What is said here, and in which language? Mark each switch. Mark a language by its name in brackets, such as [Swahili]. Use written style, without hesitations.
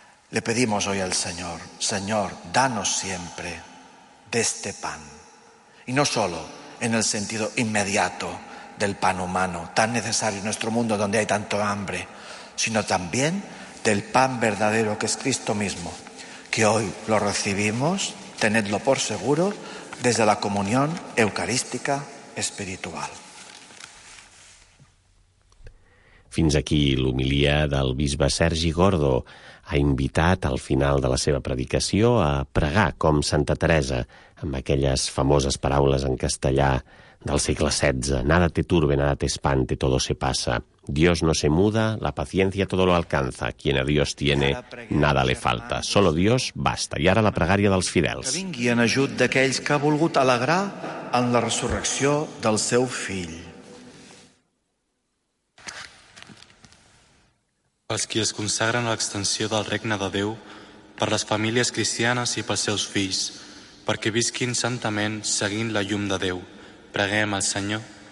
[Spanish] Le pedimos hoy al Señor, Señor, danos siempre de este pan, y no solo en el sentido inmediato del pan humano, tan necesario en nuestro mundo donde hay tanto hambre, sino también del pan verdadero que es Cristo mismo, que hoy lo recibimos, tenedlo por seguro, desde la comunión eucarística espiritual. [Catalan] Fins aquí l'homilia del bisbe Sergi Gordo. Ha invitat al final de la seva predicació a pregar com Santa Teresa, amb aquelles famoses paraules en castellà del segle XVI. [Spanish] Nada te turbe, nada te espante, todo se pasa. Dios no se muda, la paciencia todo lo alcanza. Quien a Dios tiene, nada le falta. Solo Dios basta. [Catalan] I ara la pregària dels fidels. Que vingui en ajut d'aquells que ha volgut alegrar en la resurrecció del seu fill. Pels qui es consagren a l'extensió del regne de Déu, per les famílies cristianes i pels seus fills, perquè visquin santament seguint la llum de Déu, preguem al Senyor.